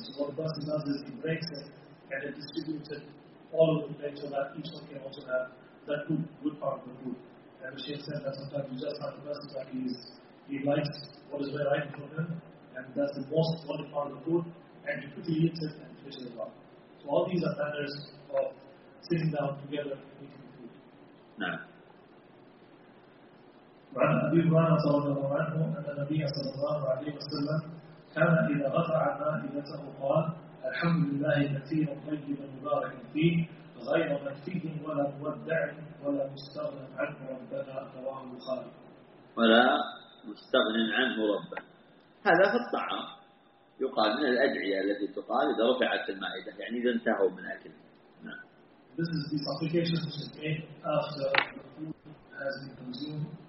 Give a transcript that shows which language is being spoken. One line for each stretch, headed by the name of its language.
English: So what the person does is he breaks it and then distributes it all over the plate so that each one can also have that good part of the food. And the Shaykh said that sometimes you just have the person that he likes what is right in front of him, and that's the most important part of the food, and he quickly eats it and finishes it off. So all these are manners of sitting down together and eating the food. No.
Arabic: وعن أبي هريرة رضي الله عنه أن النبي صلى الله عليه وسلم كان إذا غفر نائبته قال الحمد لله كثيرا طيبا مباركا فيه غير مكفيه ولا مودع ولا مستغن عنه ربنا رواه البخاري. ولا مستغن عنه ربه. هذا في الطعام يقال من الأدعية التي تقال إذا رفعت المائدة، يعني إذا انتهوا من أكل.
English: This is the supplication which is made after the food has been consumed.